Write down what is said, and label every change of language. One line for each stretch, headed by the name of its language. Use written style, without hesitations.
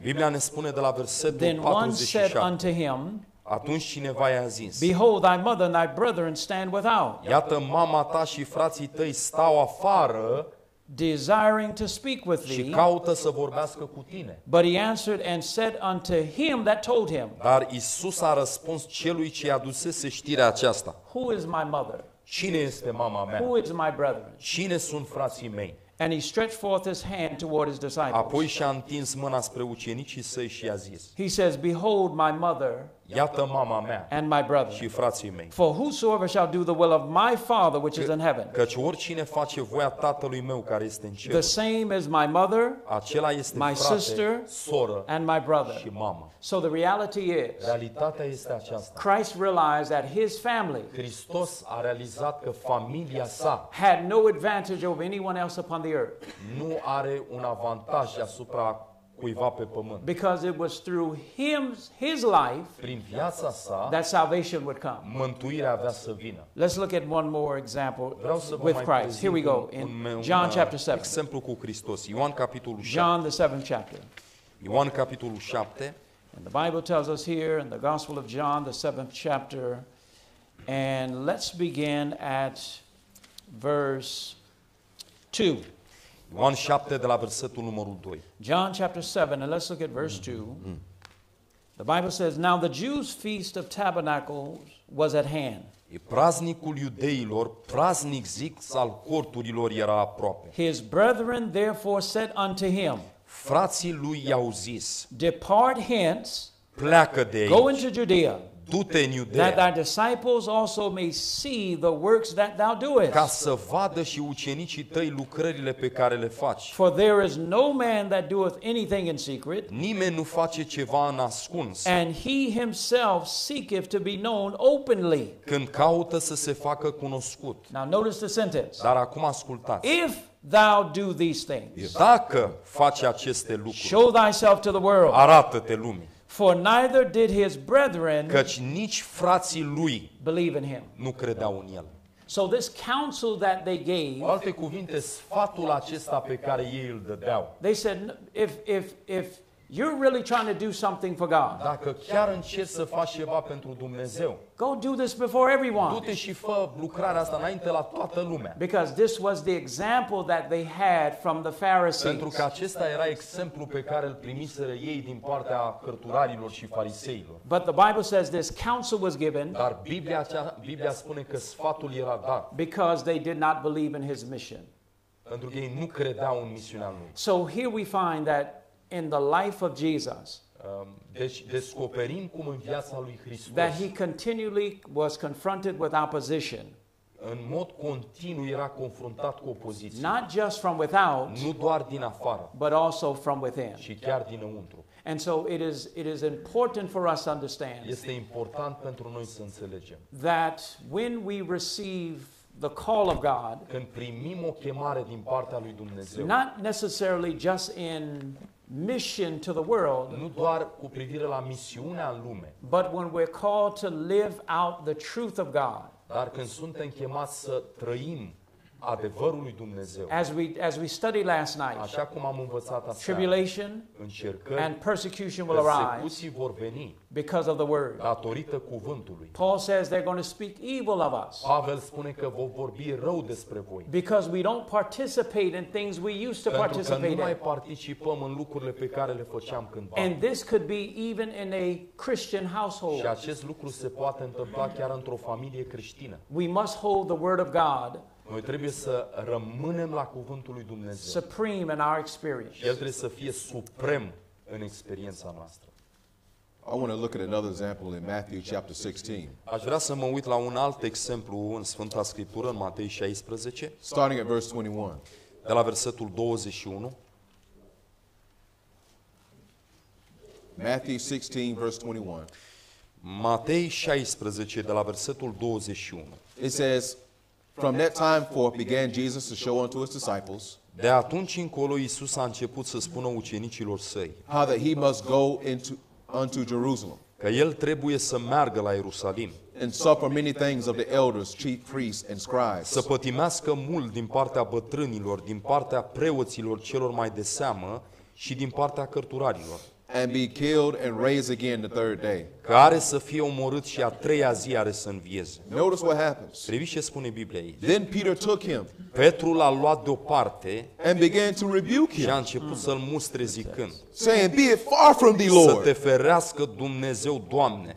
Romanian: Biblia ne spune de la versetul
English: 47. Then one said unto him,
Romanian: atunci cineva i-a zis,
English: behold thy mother and thy brethren stand without.
Romanian: Iată mama ta și frații tăi stau afară.
English: Desiring to speak with thee.
Romanian: Și caută să vorbească cu tine.
English: But he answered and said unto him that told him.
Romanian: Dar Iisus a răspuns celui ce adusese știrea aceasta.
English: Who is my mother?
Romanian: Cine este mama mea?
English: Who is my brethren?
Romanian: Cine sunt frații mei?
English: And he stretched forth his hand toward his disciples.
Romanian: Apoi și-a întins mâna spre ucenicii săi și i-a zis.
English: He says, behold my mother.
Romanian: Iată mama mea.
English: And my brother.
Romanian: Și frații mei.
English: For whosoever shall do the will of my father which is in heaven.
Romanian: Căci oricine face voia tatălui meu care este în cer.
English: The same is my mother.
Romanian: Acela este
English: my
Romanian: frate,
English: sister,
Romanian: soră,
English: and my brother.
Romanian: Și mama.
English: So the reality is.
Romanian: Realitatea este aceasta.
English: Christ realized that his family.
Romanian: Hristos a realizat că familia sa.
English: Had no advantage over anyone else upon the earth.
Romanian: Nu are un avantaj asupra cuiva pe pământ.
English: Because it was through his life,
Romanian: prin viața sa,
English: that salvation would come.
Romanian: Mântuirea avea să vină.
English: Let's look at one more example.
Romanian: Vreau să
English: with Christ. Here we go in John chapter 7.
Romanian: Exemplu cu Hristos. Ioan capitolul 7.
English: John the 7th chapter.
Romanian: Ioan capitolul 7.
English: And the Bible tells us here in the Gospel of John the 7th chapter, and let's begin at verse 2.
Romanian: Ioan 7 de la versetul numărul 2.
English: John chapter 7, and let's look at verse 2. The Bible says, now the Jews' feast of tabernacles was at hand.
Romanian: Praznicul iudeilor, praznic zic, al corturilor era aproape.
English: His brethren therefore said unto him,
Romanian: frații lui i-au zis,
English: depart hence,
Romanian: pleacă de aici,
English: go into Judea,
Romanian: du-te în Iudeea,
English: that thy disciples also may see the works that thou doest.
Romanian: Ca să vadă și ucenicii tăi lucrările pe care le faci.
English: For there is no man that doeth anything in secret.
Romanian: Nimeni nu face ceva în ascuns.
English: And he himself seeketh to be known openly.
Romanian: Când caută să se facă cunoscut.
English: Now notice the sentence.
Romanian: Dar acum ascultați.
English: If thou do these things.
Romanian: Dacă faci aceste lucruri.
English: Show thyself to the world.
Romanian: Arată-te lumii.
English: For neither did his brethren,
Romanian: căci nici frații lui,
English: believe in him.
Romanian: Nu credeau în el.
English: So this counsel that they gave,
Romanian: cu alte cuvinte, sfatul acesta pe care ei îl dădeau.
English: They said if You're really trying to do something for God.
Romanian: Dacă chiar încerci să faci ceva pentru Dumnezeu.
English: Go do this before everyone.
Romanian: Du-te și fă lucrarea asta înainte la toată lumea.
English: Because this was the example that they had from the Pharisees.
Romanian: Pentru că acesta era exemplul pe care îl primiseră ei din partea cărturarilor și fariseilor.
English: But the Bible says this counsel was given.
Romanian: Dar Biblia spune că sfatul era dat.
English: Because they did not believe in his mission.
Romanian: Pentru că ei nu credeau în misiunea lui.
English: So here we find that in the life of Jesus,
Romanian: deci descoperim cum în viața lui Hristos,
English: that he continually was confronted with opposition.
Romanian: În mod continuu era confruntat cu opoziție.
English: Not just from without,
Romanian: nu doar din afară,
English: but also from within.
Romanian: Și chiar dinăuntru.
English: And so it is important for us to understand.
Romanian: Este important pentru noi să înțelegem.
English: That when we receive the call of God,
Romanian: când primim o chemare din partea lui Dumnezeu,
English: not necessarily just in mission to the world,
Romanian: nu doar cu privire la misiunea în lume,
English: but when we're called to live out the truth of God,
Romanian: dar când suntem chemați să trăim adevărul lui Dumnezeu,
English: as we studied last night,
Romanian: așa cum am învățat aseară,
English: tribulation,
Romanian: încercări,
English: and persecution will arise,
Romanian: persecuții vor veni,
English: because of the word,
Romanian: datorită cuvântului.
English: Paul says they're going to speak evil of us,
Romanian: Pavel spune că vor vorbi rău despre voi,
English: because we don't participate in things we used to participate in,
Romanian: pentru că nu mai participăm în lucrurile pe care le făceam cândva,
English: and this could be even in a Christian household,
Romanian: și acest lucru se poate întâmpla chiar într-o familie creștină.
English: We must hold the word of God.
Romanian: Noi trebuie să rămânem la cuvântul lui Dumnezeu.
English: Supreme in our experience.
Romanian: El trebuie să fie suprem în experiența noastră.
English: I want to look at another example in Matthew chapter 16.
Romanian: Aș vrea să mă uit la un alt exemplu în Sfânta Scriptură, în Matei 16.
English: Starting at verse 21.
Romanian: De la versetul 21.
English: Matthew 16 verse 21.
Romanian: Matei 16 de la versetul 21.
English: It says, from that time forth began Jesus to show unto his disciples,
Romanian: de atunci încolo Iisus a început să spună ucenicilor săi,
English: how that he must go unto Jerusalem,
Romanian: că el trebuie să meargă la Ierusalim,
English: and suffer many things of the elders, chief priests and scribes,
Romanian: să pătimească mult din partea bătrânilor, din partea preoților celor mai de seamă și din partea cărturarilor,
English: and be killed and raised again the third day.
Romanian: Care să fie omorât și a treia zi are să învieze.
English: Notice what happens.
Romanian: Priviți ce spune Biblia aici.
English: Then Peter took him.
Romanian: Petru l-a luat deoparte
English: and began to rebuke him.
Romanian: Și a început să-l mustre zicând,
English: saying, be it far from thee, Lord.
Romanian: Să te ferească Dumnezeu, Doamne.